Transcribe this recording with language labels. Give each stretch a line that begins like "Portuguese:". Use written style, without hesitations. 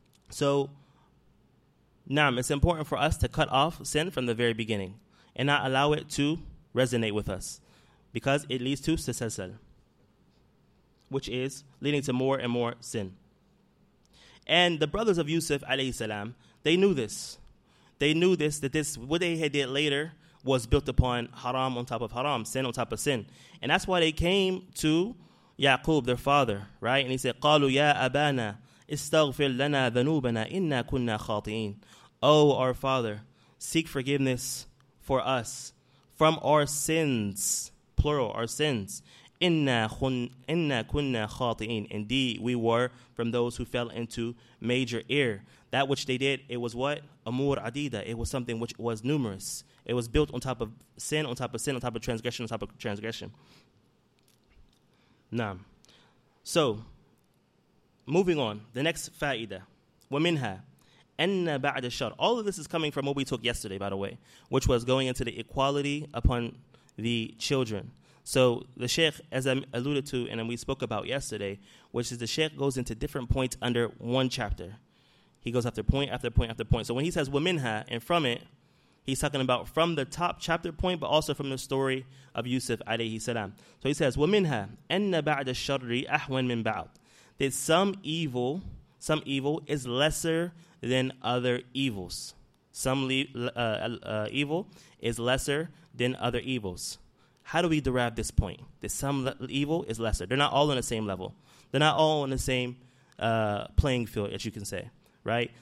English: So, Naam, it's important for us to cut off sin from the very beginning and not allow it to resonate with us, because it leads to sasasal, which is leading to more and more sin. And the brothers of Yusuf, alayhi salam, they knew this. They knew this, that this, what they had did later, was built upon haram on top of haram, sin on top of sin. And that's why they came to Yaqub, their father, right? And he said,
Arabic: قَالُوا يَا أَبَانَا استغفر لنا ذنوبنا إنا كنا خاطئين.
English: Oh, our father, seek forgiveness for us from our sins, plural, our sins.
Arabic: إنا كنا خاطئين.
English: Indeed, we were from those who fell into major error. That which they did, it was what? Amur adida. It was something which was numerous. It was built on top of sin, on top of sin, on top of transgression, on top of transgression. Naam. So, moving on, the next fa'ida,
Arabic: وَمِنْهَا أَنَّ بَعْدَ الشَّرْ.
English: All of this is coming from what we took yesterday, by the way, which was going into the equality upon the children. So the Sheikh, as I alluded to and we spoke about yesterday, which is the Sheikh goes into different points under one chapter. He goes after point after point after point. So when he says وَمِنْهَا, and from it, he's talking about from the top chapter point, but also from the story of Yusuf alayhi salam. So he says,
Arabic: وَمِنْهَا أَنَّ بَعْدَ الشَّرْ أَحْوَنْ مِنْ بَعْدٍ.
English: That some evil is lesser than other evils. Some evil is lesser than other evils. How do we derive this point? That some evil is lesser. They're not all on the same level. They're not all on the same playing field, as you can say, right?